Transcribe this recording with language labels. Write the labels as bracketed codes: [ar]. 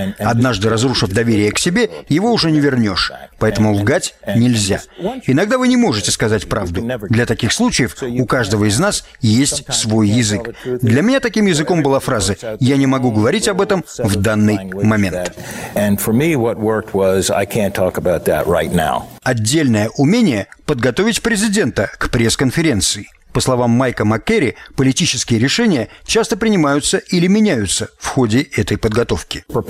[ru] Однажды разрушив доверие к себе, его уже не вернешь. Поэтому лгать нельзя. Иногда вы не можете сказать правду. Для таких случаев у каждого из нас есть свой язык. Для меня таким языком была фраза «Я не могу говорить об этом в данный момент». [en] And for me, what worked was I can't talk about that right now. [ru] Отдельное умение – подготовить президента к пресс-конференции. По словам Майка Маккери, политические решения часто принимаются или меняются в ходе этой подготовки.